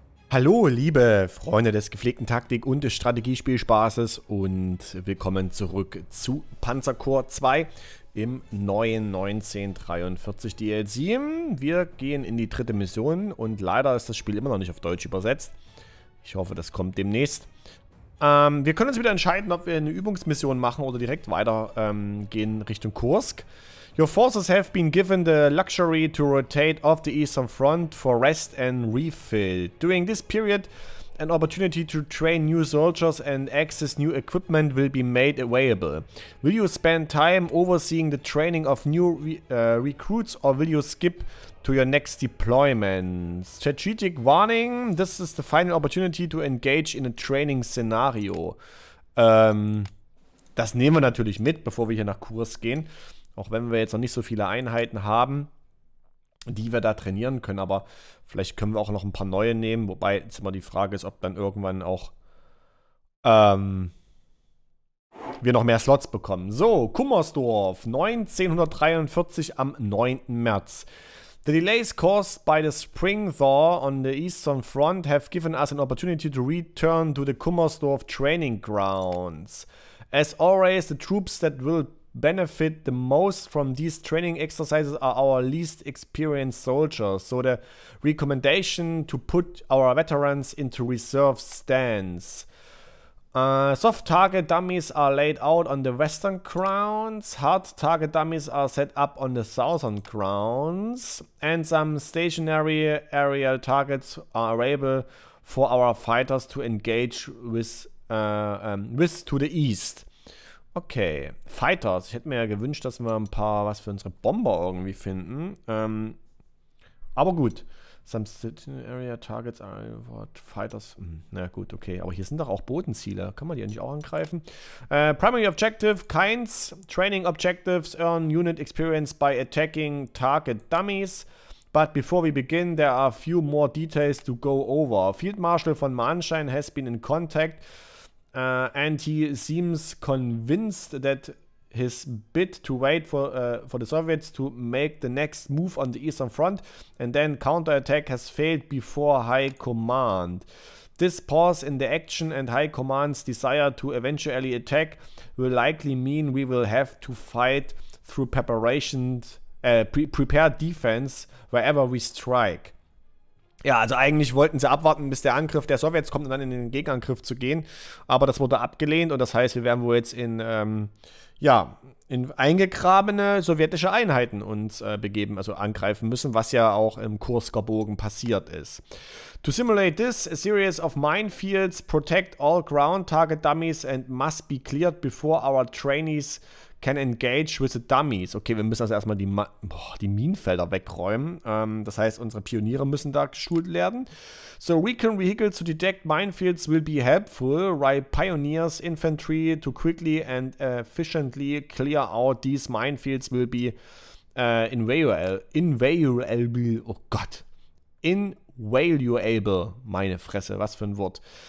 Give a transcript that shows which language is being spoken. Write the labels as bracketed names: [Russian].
[German] Hallo, liebe Freunde des gepflegten Taktik- und des Strategiespielspaßes und willkommen zurück zu Panzer Corps 2 im neuen 1943 DLC. Wir gehen in die dritte Mission und leider ist das Spiel immer noch nicht auf Deutsch übersetzt. Ich hoffe, das kommt demnächst. Wir können uns wieder entscheiden, ob wir eine Übungsmission machen oder direkt weiter gehen Richtung Kursk. [English] Your forces have been given the luxury to rotate off the Eastern Front for rest and refill. During this period, an opportunity to train new soldiers and access new equipment will be made available. Will you spend time overseeing the training of new recruits or will you skip to your next deployment? Strategic warning, this is the final opportunity to engage in a training scenario. [German] Das nehmen wir natürlich mit, bevor wir hier nach Kurs gehen. Auch wenn wir jetzt noch nicht so viele Einheiten haben, die wir da trainieren können. Aber vielleicht können wir auch noch ein paar neue nehmen. Wobei jetzt immer die Frage ist, ob dann irgendwann auch wir noch mehr Slots bekommen. So, Kummersdorf, 1943 am 9. März. [English] The delays caused by the spring thaw on the Eastern Front have given us an opportunity to return to the Kummersdorf training grounds. As always, the troops that will benefit the most from these training exercises are our least experienced soldiers. So the recommendation to put our veterans into reserve stands. Soft target dummies are laid out on the western grounds. Hard target dummies are set up on the southern grounds. And some stationary aerial targets are available for our fighters to engage with to the east. Okay, Fighters. [German] Ich hätte mir ja gewünscht, dass wir ein paar was für unsere Bomber irgendwie finden. Aber gut. [English] Some city area targets are what fighters. [German] Na gut, okay. Aber hier sind doch auch Bodenziele. Kann man die eigentlich auch angreifen? [English] Primary objective, Kinds. Training objectives earn unit experience by attacking target dummies. But before we begin, there are a few more details to go over. Field Marshal von Manstein has been in contact. And he seems convinced that his bid to wait for the Soviets to make the next move on the Eastern Front and then counterattack has failed before High Command. This pause in the action and High Command's desire to eventually attack will likely mean we will have to fight through prepared defense wherever we strike. [German] Ja, also eigentlich wollten sie abwarten, bis der Angriff der Sowjets kommt und dann in den Gegenangriff zu gehen. Aber das wurde abgelehnt und das heißt, wir werden wohl jetzt in eingegrabene sowjetische Einheiten uns begeben, also angreifen müssen, was ja auch im Kursker Bogen passiert ist. [English] To simulate this, a series of minefields protect all ground target dummies and must be cleared before our trainees can engage with the dummies. [German] Okay, wir müssen also erstmal die Minenfelder wegräumen. Das heißt, unsere Pioniere müssen da geschult werden. [English] So, recon vehicles to detect minefields will be helpful. Ride pioneers infantry to quickly and efficiently clear out these minefields will be invaluable. [German] Oh Gott. Invaluable. Meine Fresse, was für ein Wort.